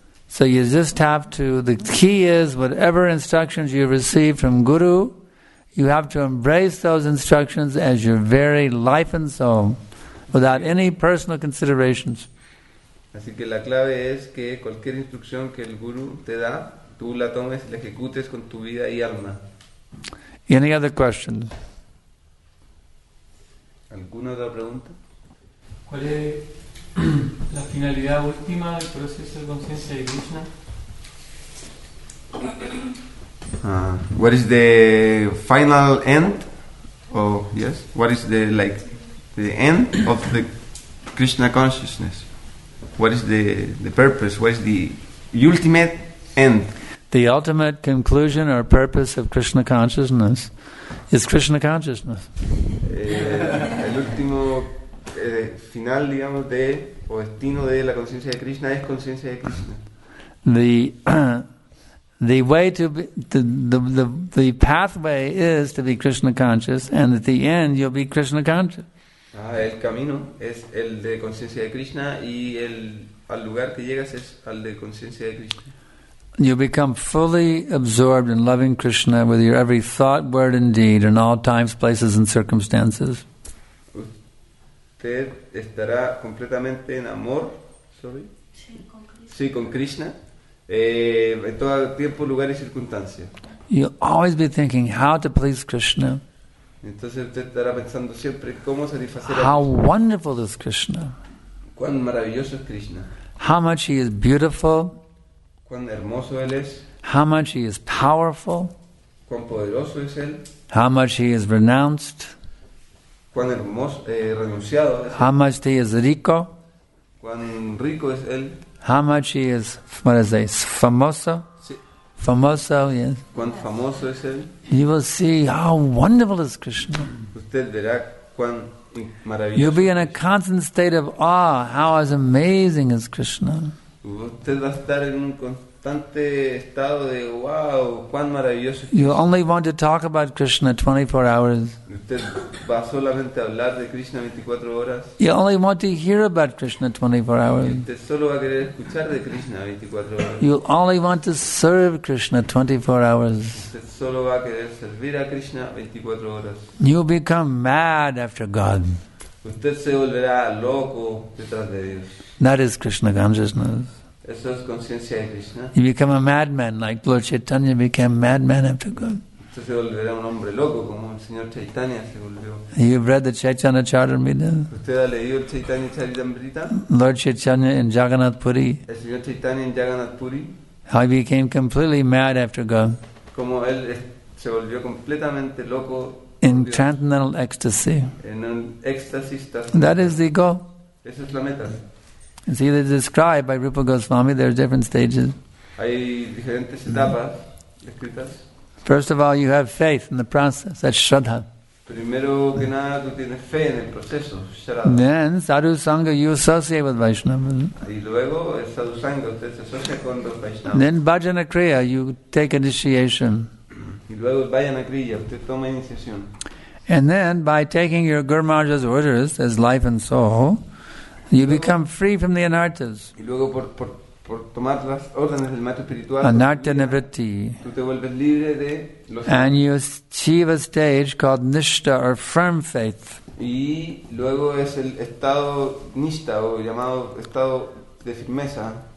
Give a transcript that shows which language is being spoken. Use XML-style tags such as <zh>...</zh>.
<en>So you just have to, the key is, whatever instructions you receive from Guru, you have to embrace those instructions as your very life and soul, without any personal considerations.</en> <es>Así que la clave es que cualquier instrucción que el Guru te da, tú la tomes y la ejecutes con tu vida y alma.</es> <en>Any other questions?</en> <es>¿Alguna otra pregunta? ¿Cuál es la finalidad última del proceso de conciencia de Krishna?</es> <en>What is the final end? Oh, yes. What is the like the end of the Krishna consciousness? What is the purpose? What is the ultimate end? The ultimate conclusion or purpose of Krishna consciousness is Krishna consciousness.</en> <es>El último final, digamos, de o destino de la conciencia de Krishna es conciencia de Krishna.</es> <en>The pathway is to be Krishna conscious, and at the end you'll be Krishna conscious.</en> <es>Ah, el camino es el de conciencia de Krishna, y el al lugar que llegas es al de conciencia de Krishna.</es> <en>You become fully absorbed in loving Krishna with your every thought, word, and deed in all times, places, and circumstances.</en> <es>Usted estará completamente en amor, sorry. Sí, con Krishna. Sí, con Krishna, en todo tiempo, lugar y circunstancia.</es> <en>You'll always be thinking how to please Krishna.</en> <es>Entonces usted estará pensando siempre cómo satisfacer a</es> <en>Krishna. How wonderful is Krishna.</en> <es>Cuán maravilloso es Krishna.</es> <en>How much he is beautiful.</en> <es>Cuán hermoso él es.</es> <en>How much he is powerful.</en> <es>Cuán poderoso es él.</es> <en>How much he is renounced.</en> <es>Cuán hermoso, renunciado es</es> <en>How</en> <es>él.</es> <en>Much he is rico.</en> <es>Cuán rico es él.</es> <en>How much he is, what is this, famoso.</en> <es>Sí. Famoso, yes. Cuán famoso es él.</es> <en>You will see how wonderful is Krishna.</en> <es>Usted verá cuán maravilloso.</es> <en>You'll be in a constant state of awe. How amazing is Krishna.</en> <es>Usted va a estar en un constante estado de wow, cuán maravilloso.</es> <en>You only want to talk about Krishna 24 hours.</en> <es>Usted va solamente a hablar de Krishna 24 horas.</es> <en>You only want to hear about Krishna 24 hours.</en> <es>Usted solo va a querer escuchar de Krishna 24 horas.</es> <en>You only want to serve Krishna 24 hours.</en> <es>Usted solo va a querer servir a Krishna 24 horas.</es> <en>You become mad after God.</en> <es>Usted se volverá loco detrás de Dios.</es> <en>That is Krishna consciousness.</en> <es>Eso es conciencia de Krishna.</es> <en>You become a madman like Lord Chaitanya became madman after God.</en> <es>Usted se volverá un hombre loco como el señor Chaitanya se volvió.</es> <en>You've read the Chaitanya Charitamrita.</en> <es>Usted ha leído el Chaitanya Charitamrita.</es> <en>Lord Chaitanya in Jagannath Puri.</en> <es>El señor Chaitanya en Jagannath Puri.</es> <en>How he became completely mad after God.</en> <es>Como él se volvió completamente loco.</es> <en>In transcendental ecstasy.</en> <es>En un éxtasis.</es> <en>That is the goal.</en> <es>Esa es la meta.</es> <en>It's either described by Rupa Goswami, there are different stages.</en> <es>Hay diferentes etapas escritas.</es> <en>First of all, you have faith in the process, that's Shraddha.</en> <es>Primero que nada, tú tienes fe en el proceso,</es> <en>Shraddha. Then, Sadhu Sangha, you associate with Vaishnava.</en> <es>Y luego, el Sadhu Sangha, usted se asocia con los Vaishnava.</es> <en>Then, Bhajana Kriya, you take initiation.</en> <es>Y luego, Bhajana Kriya, usted toma iniciación.</es> <en>And then, by taking your Guru Maharaj's orders as life and soul, you become free from the anartas.</en> <es>Y luego por tomar las órdenes del maestro espiritual.</es> <sa>Anarta nivritti.</sa> <es>Tú te vuelves libre de los.</es> <en>And you achieve a stage called nishta or firm faith.</en> <es>Y luego es el estado nishta o llamado estado de firmeza.</es>